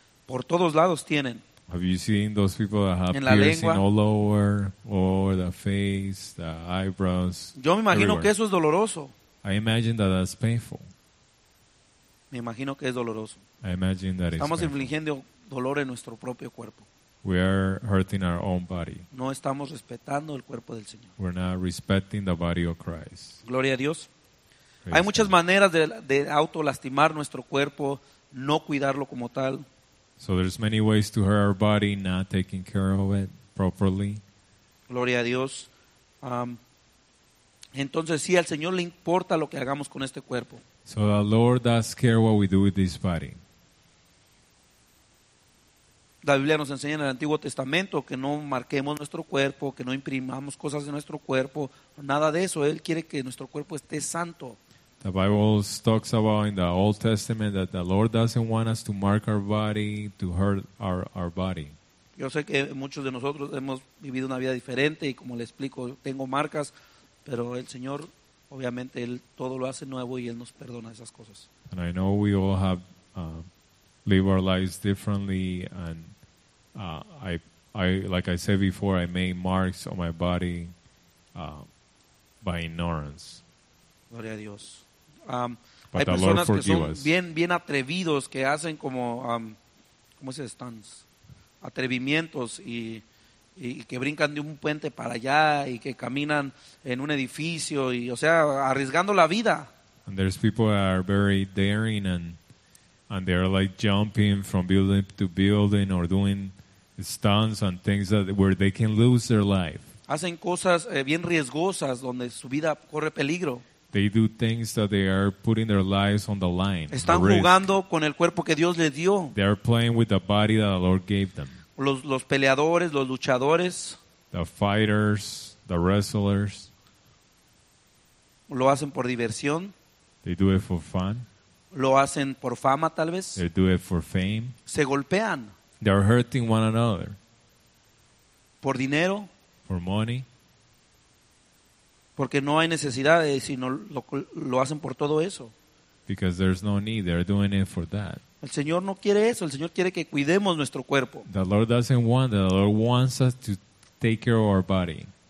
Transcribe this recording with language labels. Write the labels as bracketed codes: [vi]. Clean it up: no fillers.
[es] Por todos lados tienen. [en] Have you seen those people that have piercing all over, or the face, the eyebrows? [es] Yo me imagino [en] everywhere. [es] Que eso es doloroso. [en] I imagine that that's painful. [es] Me imagino que es doloroso. [en] I imagine that [es] estamos infligiendo dolor en nuestro propio cuerpo. [en] We are hurting our own body. [es] No estamos respetando el cuerpo del Señor. [en] We're not respecting the body of Christ. [es] Gloria a Dios. Hay muchas maneras de autolastimar nuestro cuerpo, no cuidarlo como tal. [en] So there's many ways to hurt our body, not taking care of it properly. [es] Gloria a Dios. Entonces sí, al Señor le importa lo que hagamos con este cuerpo. [en] So the Lord does care what we do with this body. [es] La Biblia nos enseña en el Antiguo Testamento que no marquemos nuestro cuerpo, que no imprimamos cosas en nuestro cuerpo, nada de eso. Él quiere que nuestro cuerpo esté santo. [en] The Bible talks about in the Old Testament that the Lord doesn't want us to mark our body, to hurt our body. [es] Yo sé que muchos de nosotros hemos vivido una vida diferente y como le explico, tengo marcas, pero el Señor, obviamente, Él todo lo hace nuevo y Él nos perdona esas cosas. [en] And I know we all have live our lives differently, and I like I said before, I made marks on my body by ignorance. [es] Gloria a Dios. Hay personas que son bien atrevidos, que hacen como ¿cómo se están? Atrevimientos y que brincan de un puente para allá y que caminan en un edificio y, o sea, arriesgando la vida. [en] And there's people that are very daring and they're like jumping from building to building or doing stunts and things that where they can lose their life. [es] Hacen cosas bien riesgosas donde su vida corre peligro. [en] They do things that they are putting their lives on the line. [es] Están jugando con el cuerpo que Dios les dio. [en] They are playing with the body that the Lord gave them. [es] Los peleadores, los luchadores. [en] The fighters, the wrestlers. [es] Lo hacen por diversión. [en] They do it for fun. [es] Lo hacen por fama, tal vez. [en] They do it for fame. [es] Se golpean. [en] They are hurting one another. [es] Por dinero. [en] For money. [es] Porque no hay necesidad, sino lo hacen por todo eso. [en] Because there's no need, they're doing it for that. [es] El Señor no quiere eso, el Señor quiere que cuidemos nuestro cuerpo. [en] The Lord doesn't want that. The Lord wants us to take care of our body.